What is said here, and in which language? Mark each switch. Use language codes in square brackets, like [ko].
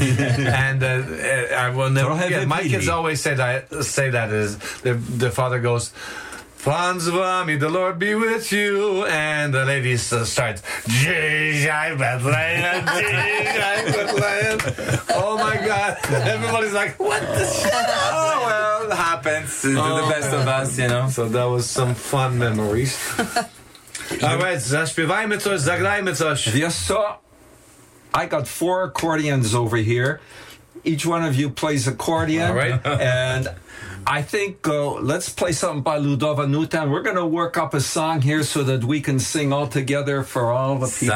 [en] And I will never forget. My kids always say that is the father goes, "Franz Vami, the Lord be with you," and the lady starts, "Jai Bethlehem, Jai Bethlehem." Oh my God! Everybody's like, "What the shit?" Happens to the best of us, So that was some fun memories. All right, [pl] zaspivajmy coś, zagrajmy coś. Wiesz co? [en] I got four accordions over here. Each one of you plays accordion. All right. And I think let's play something by Ludova Nutan. We're going to work up a song here so that we can sing all together for all the people.